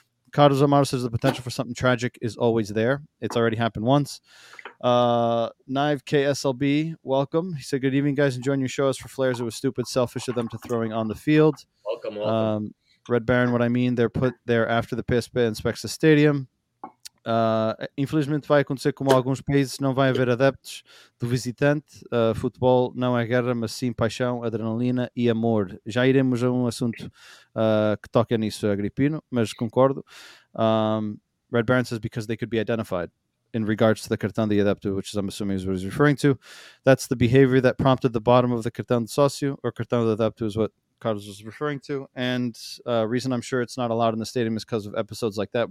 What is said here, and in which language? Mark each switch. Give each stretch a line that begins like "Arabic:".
English: Carlos Amaro says the potential for something tragic is always there. It's already happened once. Knive KSLB, welcome. He said, good evening, guys. Enjoying your show. As for flares, it was stupid, selfish of them to throwing on the field. Welcome. Red Baron, what I mean, they're put there after the PSP inspects the stadium.
Portuguese: Infelizmente vai acontecer como alguns países, não vai haver adeptos do visitante. Futebol não é guerra, mas sim paixão, adrenalina e amor. Já iremos a um assunto que toque nisso, Agrippino, mas concordo.
English: Red Baron says, because they could be identified in regards to the cartão de adepto, which I'm assuming is what he's referring to. That's the behavior that prompted the bottom of the cartão de sócio, or cartão de adepto is what Carlos was referring to, and reason I'm sure it's not allowed in the stadium is because of episodes like that.